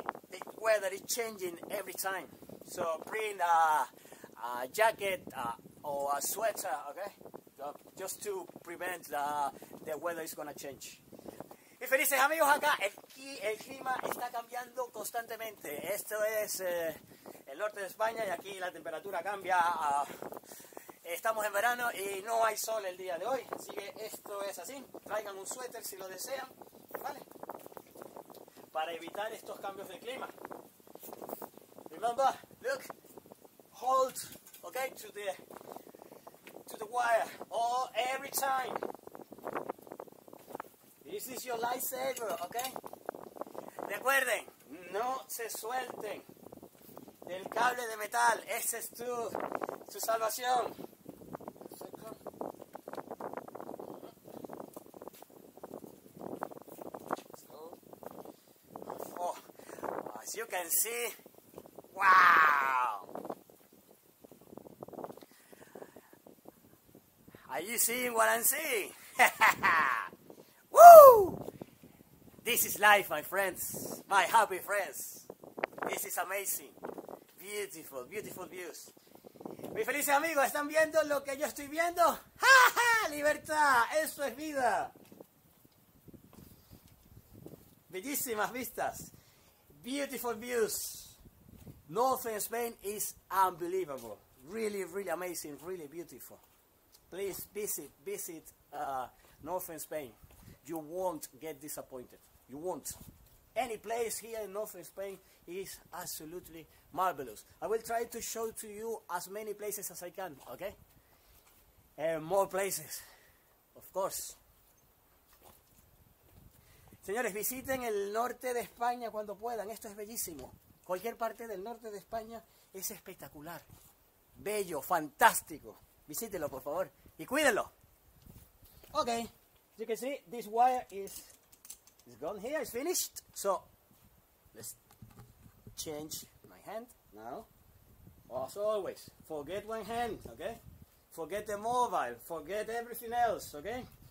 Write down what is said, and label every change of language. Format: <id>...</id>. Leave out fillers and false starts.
<en>The weather is changing every time. So bring a jacket or a sweater, okay? Just to prevent the weather is gonna change.</en> <es>Y felices amigos acá. El clima está cambiando constantemente. Esto es el norte de España y aquí la temperatura cambia. Estamos en verano y no hay sol el día de hoy. Así que esto es así. Traigan un suéter si lo desean, ¿vale? Para evitar estos cambios de clima.</es> <en>Remember, look, hold, okay, to the wire, or every time. This is your lifesaver, okay?</en> <es>Recuerden, no se suelten del cable de metal. Ese es tu salvación.</es> <en>Oh, as you can see. Wow! Are you seeing what I'm seeing? Woo! This is life, my friends, my happy friends. This is amazing, beautiful, beautiful views.</en> <es>Mis felices amigos, ¿están viendo lo que yo estoy viendo? ¡Ja, ja! ¡Libertad! ¡Eso es vida! Bellísimas vistas,</es> <en>beautiful views. Northern Spain is unbelievable, really, really amazing, really beautiful. Please visit Northern Spain. You won't get disappointed. You won't. Any place here in Northern Spain is absolutely marvelous. I will try to show to you as many places as I can, okay? And more places, of course.</en> <es>Señores, visiten el norte de España cuando puedan. Esto es bellísimo. Cualquier parte del norte de España es espectacular, bello, fantástico. Visítelo, por favor, y cuídenlo.</es> <en>Ok, you can see this wire is gone here, it's finished. So, let's change my hand now. As always, forget one hand, ok? Forget the mobile, forget everything else, ok?</en>